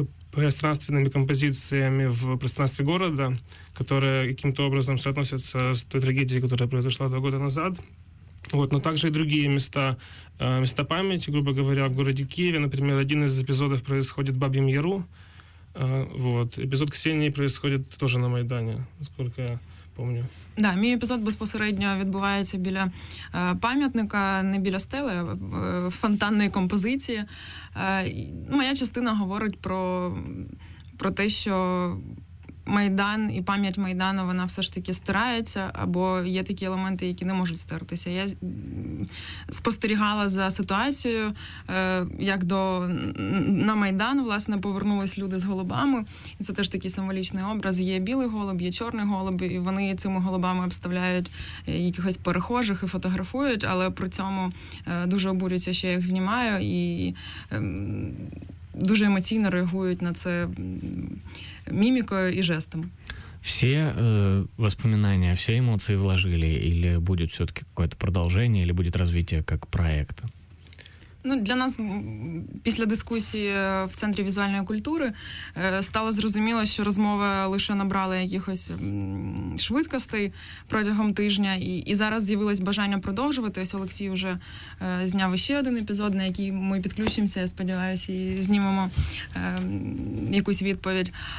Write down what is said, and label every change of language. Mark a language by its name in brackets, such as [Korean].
[Russian] пространственными композициями в пространстве города, которые каким-то образом соотносятся с той трагедией, которая произошла 2 года назад. Вот, но также и другие места, места памяти, грубо говоря, в городе Киеве. Например, один из эпизодов происходит в Бабьем Яру. Вот. Эпизод Ксении происходит тоже на Майдане, насколько я помню. [Ukrainian] Да, мій епізод безпосередньо відбувається біля пам'ятника, не біля стели, а фонтанної композиції. Моя частина говорить про те, що Майдан і пам'ять Майдану, вона все ж таки стирається, або є такі елементи, які не можуть стиратися. Я спостерігала за ситуацією, як до, на Майдан, власне, повернулись люди з голубами. І це теж такий символічний образ. Є білий голуб, є чорний голуб, і вони цими голубами обставляють якихось перехожих і фотографують, але при цьому дуже обурюються, що я їх знімаю, і дуже емоційно реагують на це [Russian] мимикой и жестом. Все воспоминания, все эмоции вложили, или будет все-таки какое-то продолжение, или будет развитие как проекта? [Ukrainian] Ну, для нас після дискусії в Центрі візуальної культури стало зрозуміло, що розмова лише набрала якихось швидкостей протягом тижня. І зараз з'явилось бажання продовжувати. Ось Олексій вже зняв ще один епізод, на який ми підключимося, я сподіваюся, і знімемо якусь відповідь.